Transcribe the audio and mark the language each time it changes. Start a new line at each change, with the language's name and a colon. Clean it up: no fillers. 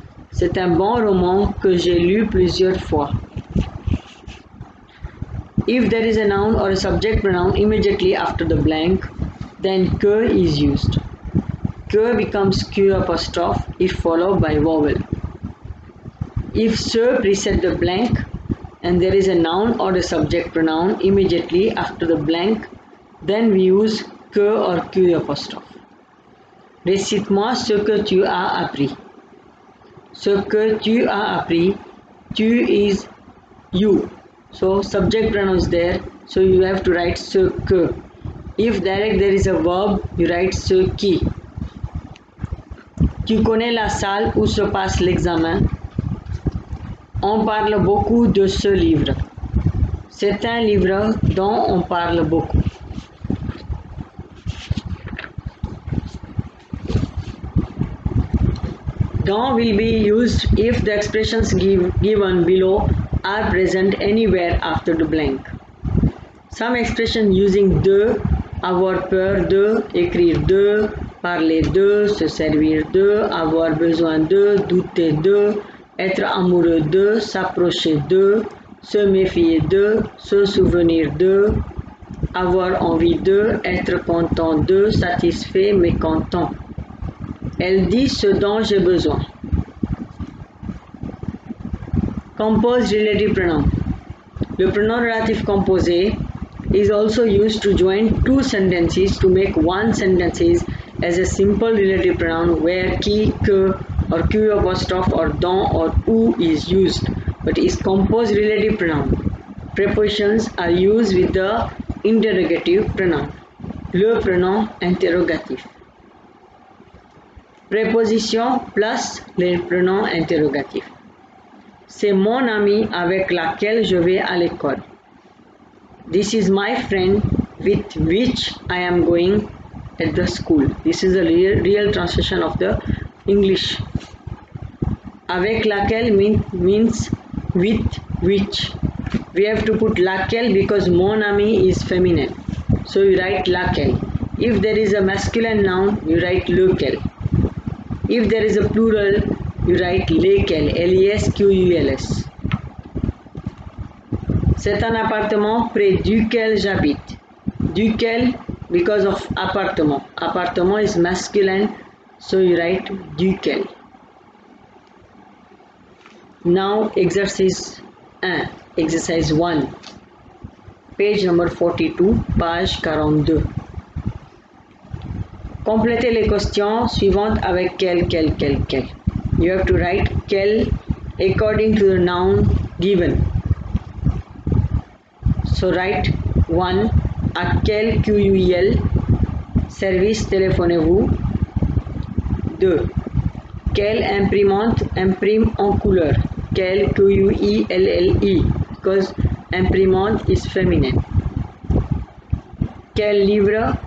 French: C'est un bon roman que j'ai lu plusieurs fois.
English: If there is a noun or a subject pronoun immediately after the blank, then que is used. Que becomes q apostrophe if followed by vowel. If se precede the blank and there is a noun or a subject pronoun immediately after the blank, then we use que or q apostrophe.
French: Récite-moi ce que tu as appris. Ce que tu as appris, tu
English: is you. So subject pronoun is there, so you have to write ce que. If direct there is a verb, you write ce qui.
French: Tu connais la salle où se passe l'examen. On parle beaucoup de ce livre. C'est un livre dont on parle beaucoup.
English: Dont will be used if the expressions given below are present anywhere after the blank. Some expressions using
French: de, avoir peur de, écrire de, parler de, se servir de, avoir besoin de, douter de, être amoureux de, s'approcher de, se méfier de, se souvenir de, avoir envie de, être content de, satisfait, mécontent. Elle dit ce dont j'ai besoin.
English: Compose relative pronoun.
French: Le pronom relatif composé
English: is also used to join two sentences to make one sentence as a simple relative pronoun where qui, que or q apostrophe or dont or où is used, but is composed relative pronoun. Prepositions are used with the interrogative pronoun.
French: Le pronom interrogatif. Préposition plus le pronom interrogatif. C'est mon ami avec laquelle je vais à l'école.
English: This is my friend with which I am going at the school. This is a real translation of the English. Avec laquelle means with which. We have to put laquelle because mon ami is feminine. So you write laquelle. If there is a masculine noun, you write lequel. If there is a plural, you write lequel, L-E-S-Q-U-L-S.
French: C'est un appartement près duquel j'habite. Duquel
English: because of appartement. Appartement is masculine, so you write duquel. Now exercise 1, exercise 1, page number 42, page 42.
French: Complétez les questions suivantes avec quel.
English: You have to write quel according to the noun given. So write
French: 1, à quel QUEL service téléphonez-vous? 2, quelle imprimante imprime en couleur? Quel QUELLE,
English: because imprimante is feminine.
French: Quel livre?